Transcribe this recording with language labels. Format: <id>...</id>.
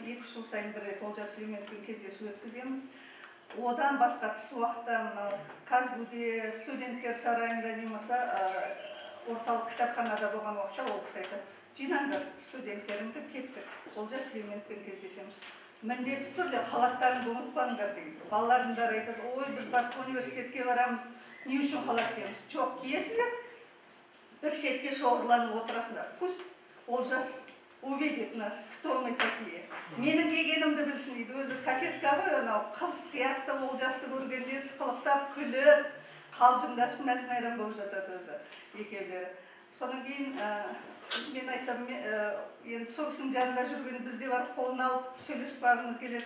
<kk>2-3 жыл сайын бір рет Олжас Сүлейменовпен кездесу өткіземіз. Одан басқа тыс уақытта мынау КазГУ-де студенттер сарайында, не болмаса орталық кітапханада болған уақытта ол кісі айтады, жинаңдар студенттеріңді, кеттік, Олжас Сүлейменовпен кездесеміз. Міндетті түрде халаттарыңды ұмытпаңдар деген. Балаларыңдар айтады, ой, біз басқа университетке барамыз, не үшін халат киеміз? Жоқ, киесіңдер, бір шетке шоғырланып отырасыңдар.</kk> <ru>Пусть Олжас увидит нас, кто мы такие.</ru> <kk>Менің кегенімді білсін дейді. Өзі кокетка ғой, анау қыз сияқты Олжасты көргенде сықылықтап күліп қалжыңдасып мәз-мәйрам болып жатады өзі екеулері. Содан кейін мен айтамын, енді сол кісінің жанында жүрген бізде барып қолын алып сөйлесіп барғымыз келеді.</kk>